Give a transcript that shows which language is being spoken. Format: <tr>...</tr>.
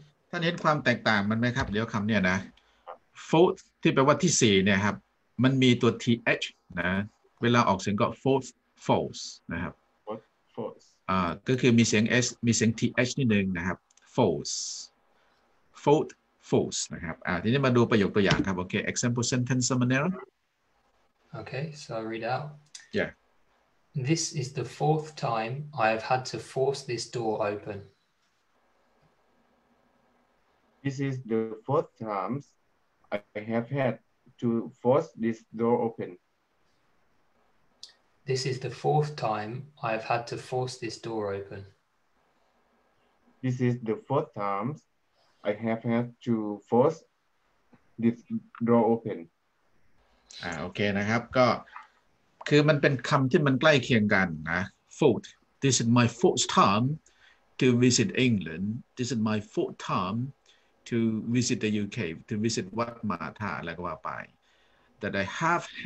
<th>ท่านเห็นความแตกต่างมันไหมครับเดี๋ยวคำเนี่ยนะ fourth ที่แปลว่าที่สี่เนี่ยครับมันมีตัว th นะเวลาออกเสียงก็ fourth force นะครับ</th> <en>fourth force</en> <th>ก็คือมีเสียง s มีเสียง th นิดนึงนะครับ fourth force นะครับทีนี้มาดูประโยคตัวอย่างครับโอเค</th> <en>example sentence</en> <th>Samanera</th> <en>okay so I read out yeah This is the fourth time I have had to force this door open. This is the fourth time I have had to force this door open. This is the fourth time I have had to force this door open. This is the fourth time I have had to force this door open.</en> <th>โอเคนะครับก็คือมันเป็นคำที่มันใกล้เคียงกันนะ</th> <en>fourth this is my fourth time to visit England this is my fourth time to visit the UK to visit Wat Mata</en> <th>อะไรก็ว่าไป</th> <en>that I have</en>